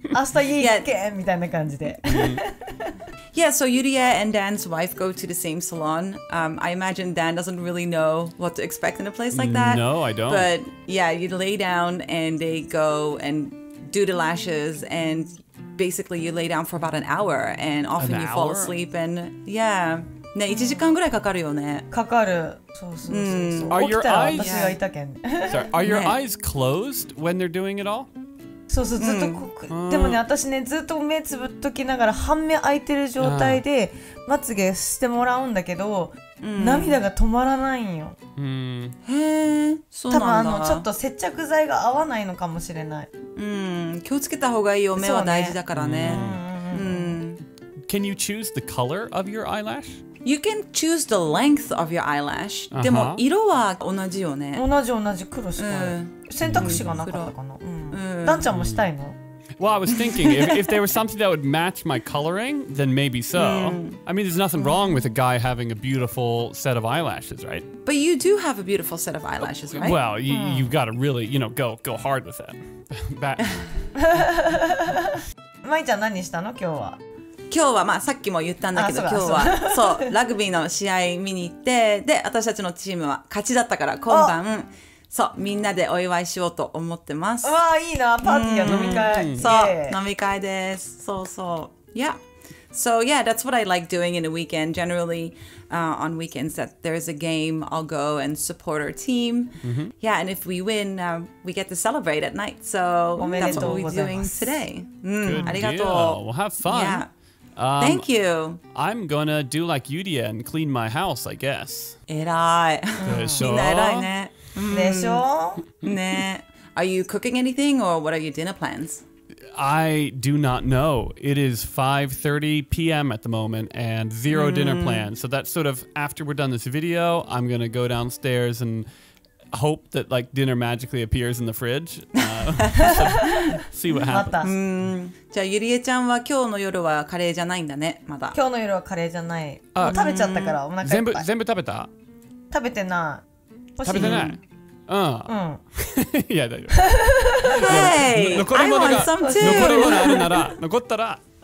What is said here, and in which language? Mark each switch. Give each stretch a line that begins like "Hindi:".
Japanese: 明日家行け、みたいな感じで。
English: Yeah, so Yuria and Dan's wife go to the same salon. I imagine Dan doesn't really know what to expect in a place like that. No, I don't. But yeah, you lay down and they go and do the lashes. And basically you lay down for about an hour. And often an you hour? Fall asleep. And yeah.
Japanese: ね、1時間ぐらいかかるよね。かかる。そうそうそう。起きたら私がいたけん。
English: Sorry, are your eyes closed when they're doing it all?
Japanese: そうそう、ずっと、でもね、私ね、ずっと目つぶっときながら半目開いてる状態でまつげしてもらうんだけど、涙が止まらないんよ。へぇ、そうなんだ。多分ちょっと接着剤が合わないのかもしれない。気をつけた方がいいよ、目は大事だからね。
English: Can you choose the color of your eyelash? You can choose the length of your eyelash.
Japanese: でも色は同じよね。同じ同じ、黒しか選択肢がなかったかな。ダンちゃんもしたいの？
English: Well, I was thinking, if there was something that would match my coloring, then maybe so. I mean, there's nothing wrong with a guy having a beautiful set of eyelashes, right? But you do have a beautiful set of eyelashes, right? Well, you've got to really, you know, go hard with it. Back.
Japanese: マイちゃん何したの今日は？今日はまあさっきも言ったんだけど、今日はそうラグビーの試合見に行って、で私たちのチームは勝ちだったから今晩。そう、みんなでお祝いしようと思ってます。わー、いいな、パーティーや飲み会。そう、飲み会です。そうそう、 Yeah.
English: So yeah, that's what I like doing in a weekend. Generally, on weekends that there's a game, I'll go and support our team. Yeah, and if we win, we get to celebrate at night. So that's what we're doing today. Good deal. We'll have fun. Yeah. Thank you. I'm gonna do like Yuri and clean my house, I guess.
Japanese: Erai.
English: Good.
Japanese: みんな偉いね。でしょ？ね。
English: Are you cooking anything or what are your dinner plans? I do not know. It is 5:30 p.m. at the moment and zero dinner plans. So that's sort of after we're done this video, I'm going to go downstairs and hope that like dinner magically appears in the fridge. see what happens.
Japanese: じゃあゆりえちゃんは今日の夜はカレーじゃないんだね、まだ。今日の夜はカレーじゃない。食べちゃったからお腹いっぱい。全部食べた？食べてない。食べてない。いや、大丈夫。
English: Hey!
Japanese: 残り物があるなら、残ったら、